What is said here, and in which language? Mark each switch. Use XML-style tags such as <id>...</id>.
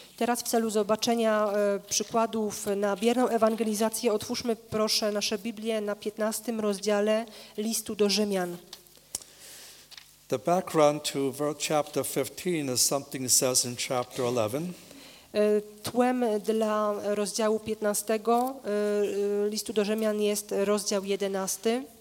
<pl>Teraz w celu zobaczenia przykładów na bierną ewangelizację, otwórzmy proszę nasze Biblię na 15 rozdziale listu do Rzymian.</pl> <en>The background to chapter 15 is something he says in chapter 11.</en> <pl>Tłem dla rozdziału 15 listu do Rzymian jest rozdział 11.</pl>